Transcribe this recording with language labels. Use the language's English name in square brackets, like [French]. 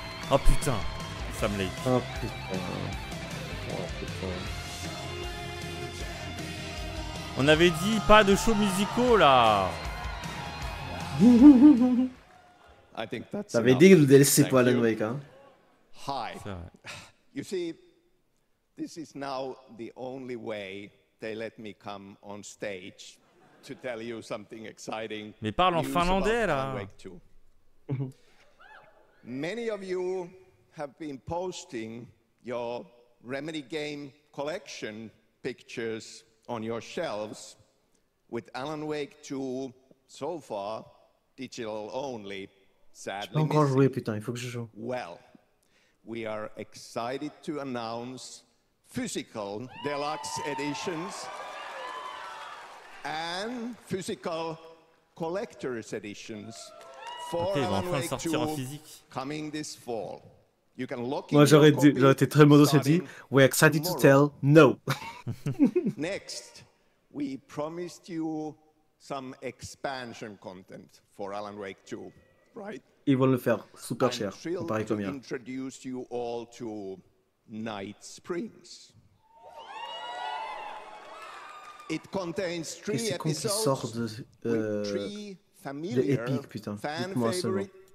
[French] Oh putain, Sam Lake. Oh putain. Oh putain. On avait dit pas de shows musicaux là. [English] I think that's. [French] T'avais dit que le DLC pour Alan Wake, hein. [English] Hi. You see, this is now the only way they let me come on stage to tell you something exciting. [French] Mais parle en finlandais là. [English] Many of you have been posting your Remedy game collection pictures on your shelves with Alan Wake 2 so far digital only, sadly. [French] J'ai encore joué, putain, il faut que je joue. [English] Well, we are excited to announce physical deluxe editions and physical collector's editions for okay, Alan [French] enfin [English] Wake 2 coming this fall. You can lock in. [French] Moi, j'aurais été très modeste et dit, [English] we're excited tomorrow. To tell no. Next, we promised you some expansion content for Alan Wake 2, right? [French] Ils vont le faire super cher, on parie combien. [English] I'm thrilled to introduce you all to Night Springs. It contains three episodes. [French] Qu'est-ce qu'on sort de Epic, putain, dites-moi seulement.